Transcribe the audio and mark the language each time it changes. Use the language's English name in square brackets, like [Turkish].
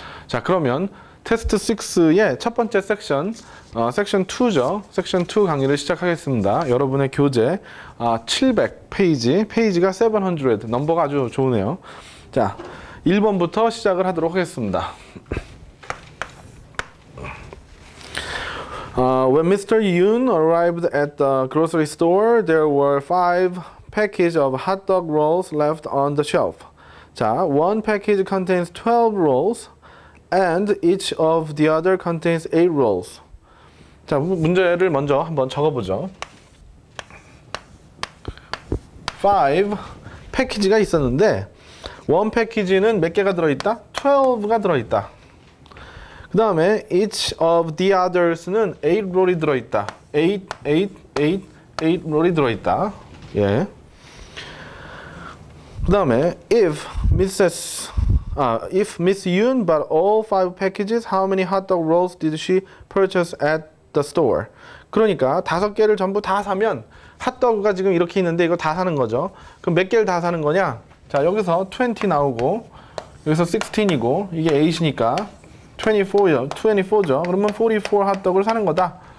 [Korean] 자, 그러면 테스트 6의 첫 번째 섹션, 섹션 2죠. 섹션 2 강의를 시작하겠습니다. 여러분의 교재 700페이지, 페이지가 700, 넘버가 아주 좋으네요. 자, 1번부터 시작을 하도록 하겠습니다. [English] When Mr. Yoon arrived at the grocery store, there were 5 packages of hot dog rolls left on the shelf. 자, one package contains 12 rolls. And each of the other contains 8 rolls. [Korean] 자, 문제를 먼저 한번 적어보죠. 5 패키지가 있었는데 1 패키지는 몇 개가 들어있다? 12가 들어있다. 그 다음에 [English] each of the others [Korean] 는 8 rolls이 들어있다. 8 rolls이 들어있다. 예. 그 다음에 [English] if Miss Yoon bought all 5 packages, how many hot dog rolls did she purchase at the store? [Korean] 그러니까 다섯 개를 전부 다 사면 핫도그가 지금 이렇게 있는데 이거 다 사는 거죠. 그럼 몇 개를 다 사는 거냐? 자, 여기서 20 나오고 여기서 16이고 이게 8이니까 24죠. 그러면 44 핫도그를 사는 거다.